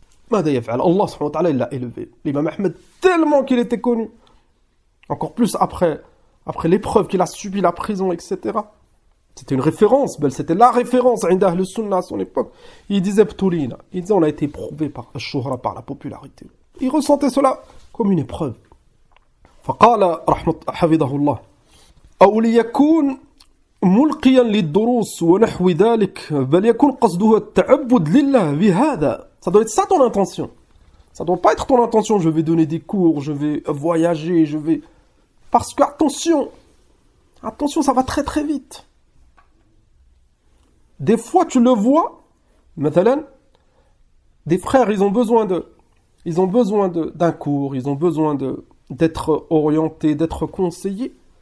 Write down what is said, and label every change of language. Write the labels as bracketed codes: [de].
[ar] Mada yaf'al, [fr] Allah subhanahu wa ta'ala, il l'a élevé. L'Imam Ahmed, tellement qu'il était connu, encore plus après l'épreuve qu'il a subi, la prison, etc. C'était une référence, mais c'était la référence [ar] عند أهل السنة [fr] à son époque. Il disait « [ar] Ubtulina [fr] ». Il disait « On a été éprouvé par al-shuhra, par la popularité ». Il ressentait cela comme une épreuve. [ar] فقال رحمه حفظه الله او ليكون ملقيا للدروس ونحو ذلك بل يكون قصده التعبد لله بهذا. [fr] Ça doit être ça ton intention. Ça doit pas être ton intention, je vais donner des cours, je vais voyager, je vais... Parce que attention, attention, ça va très très vite. Des fois, tu le vois, [ar] مثلاً, [fr] des frères, ils ont besoin de, ils ont besoin de, d'un cours, ils ont besoin de, d'être orientés, d'être conseillés.